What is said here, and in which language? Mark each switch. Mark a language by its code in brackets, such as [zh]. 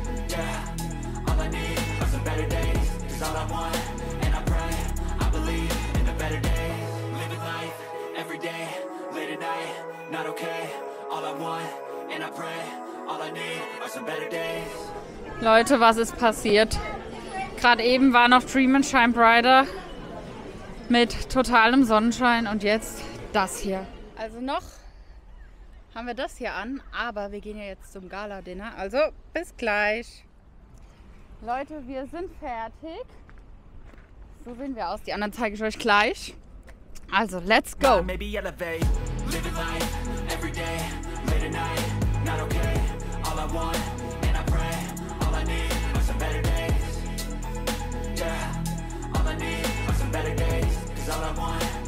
[en] Yeah, all I need are some better days. 'Cause all I want, and I pray. I believe in the better days. Living life, every day. Late at night, not okay. All I want, and I pray. All I need are some better days. [de] Leute, was ist passiert? Gerade eben war noch Dream and Shine Brighter mit totalem Sonnenschein und jetzt das hier. Also noch haben wir das hier an, aber wir gehen ja jetzt zum Gala-Dinner. Also bis gleich. Leute, wir sind fertig. So sehen wir aus. Die anderen zeige ich euch gleich. [en] Also, let's go. Maybe elevate. Living life every day, late at night, not okay. All I want, and I pray. All I need are some better days. Yeah, all I need are some better days. 'Cause all I want.